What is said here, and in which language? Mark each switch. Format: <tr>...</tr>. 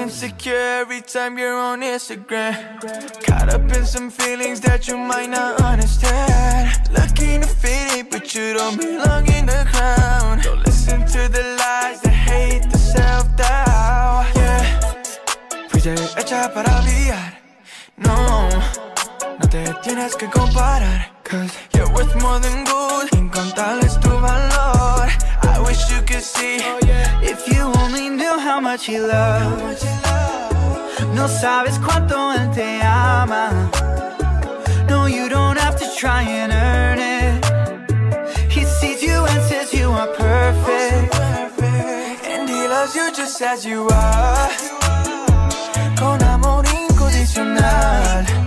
<en>insecure every time you're on Instagram. Caught up in some feelings that you might not understand. Looking to fit in, but you don't belong in the crowd. Don't listen to the lies, the hate, the self-doubt.</en> <es>Yeah, fuiste hecha para brillar. No, no te tienes que comparar.</es> <en>Cause you're worth more than gold.</en> <es>Incontables tu valor.</es> <en>I wish you could see. If you only knew how much he loves.</en> <es>No sabes cuánto él te ama.</es> <en>No, you don't have to try and earn it. He sees you and says you are perfect. And he loves you just as you are.</en> <es>Con amor incondicional.</es>